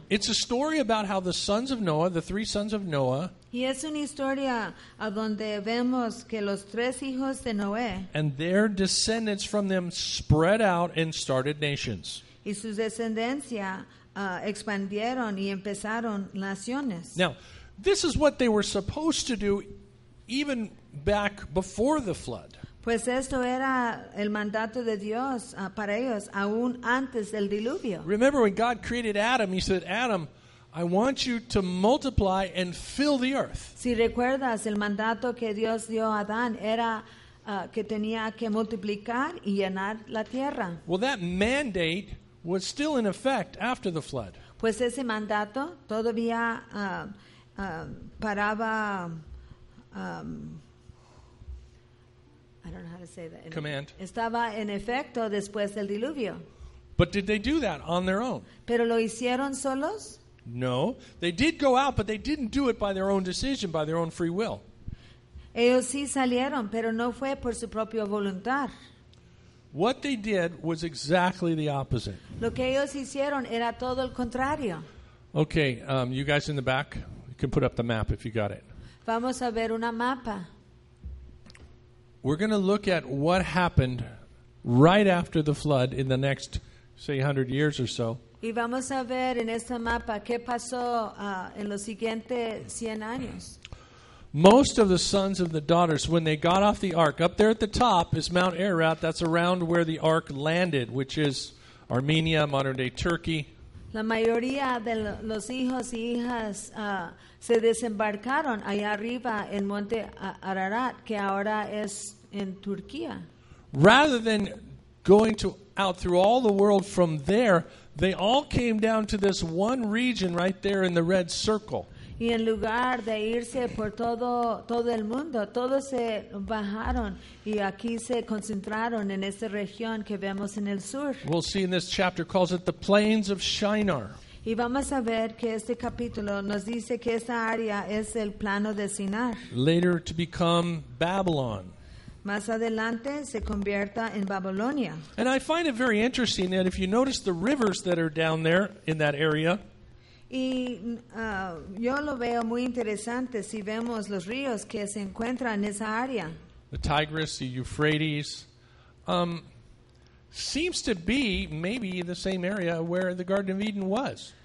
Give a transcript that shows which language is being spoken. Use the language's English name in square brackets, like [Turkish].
[English] It's a story about how the sons of Noah, the three sons of Noah, [Spanish] y es una historia a donde vemos que los tres hijos de Noé [English] and their descendants from them spread out and started nations. [Spanish] Y sus descendencia expandieron y empezaron naciones. [English] Now, this is what they were supposed to do even back before the flood. [Spanish] Pues esto era el mandato de Dios para ellos aún antes del diluvio. [English] Remember when God created Adam, he said, Adam, I want you to multiply and fill the earth. [Spanish] Si recuerdas, el mandato que Dios dio a Adán era que tenía que multiplicar y llenar la tierra. [English] Well, that mandate was still in effect after the flood. [Spanish] Pues ese mandato todavía paraba... [English] I don't know how to say that. Command. [Spanish] Estaba en efecto después del diluvio. [English] But did they do that on their own? [Spanish] ¿Pero lo hicieron solos? [English] No. They did go out, but they didn't do it by their own decision, by their own free will. [Spanish] Ellos sí salieron, pero no fue por su propia voluntad. [English] What they did was exactly the opposite. [Spanish] Lo que ellos hicieron era todo el contrario. [English] Okay, you guys in the back, you can put up the map if you got it. [Spanish] Vamos a ver una mapa. [English] We're going to look at what happened right after the flood in the next, say, 100 years or so. [Spanish] Y vamos a ver en este mapa qué pasó en los siguientes 100 años. [English] Most of the sons of the daughters, when they got off the ark, up there at the top is Mount Ararat. That's around where the ark landed, which is Armenia, modern-day Turkey. [Spanish] La mayoría de los hijos y hijas se desembarcaron allá arriba en Monte Ararat, que ahora es en Turquía. [English] Rather than going to out through all the world from there, they all came down to this one region right there in the red circle. [Spanish] Y en lugar de irse por todo el mundo, todos se bajaron y aquí se concentraron en esta región que vemos en el sur. [English] We'll see in this chapter calls it the Plains of Shinar. [Spanish] Y vamos a ver que este capítulo nos dice que esa área es el plano de Sinar. [English] Later to become Babylon. [Spanish] Más adelante se convierta en Babilonia. [English] And I find it very interesting that if you notice the rivers that are down there in that area. [Spanish] Y yo lo veo muy interesante si vemos los ríos que se encuentran en esa área. [English] The Tigris, the Euphrates, seems to be maybe the same area where the Garden of Eden was.